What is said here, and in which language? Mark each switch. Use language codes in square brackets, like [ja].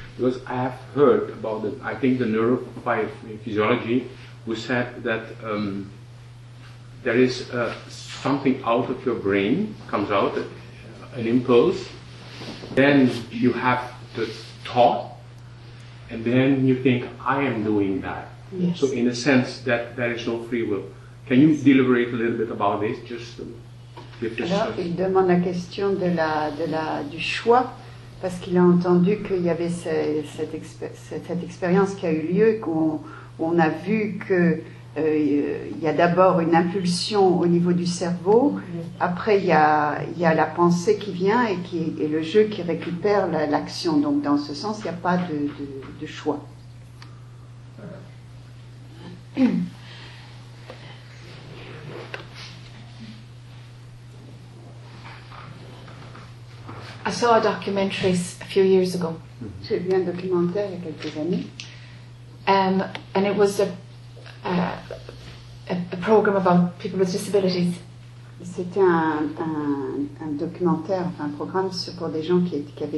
[en] Because I have heard about it, I think the neurophysiology who said that there is something out of your brain comes out, an impulse, then you have the thought, and then you think, I am doing that. Yes. So in a sense that there is no free will. Can you deliberate a little bit about this, just to give this? [fr] Alors, il demande la question du choix, parce qu'il a entendu qu'il y avait cette expérience qui a eu lieu, qu'on a vu que il y a d'abord une impulsion au niveau du cerveau, après il y a la pensée qui vient et le jeu qui récupère l'action. Donc dans ce sens, il n'y a pas de choix. [en] I saw a documentary a few years ago. [fr] J'ai vu un documentaire il y a quelques années. [en] And it was a program about people with disabilities. [fr] C'était un documentaire, enfin un programme pour des gens qui étaient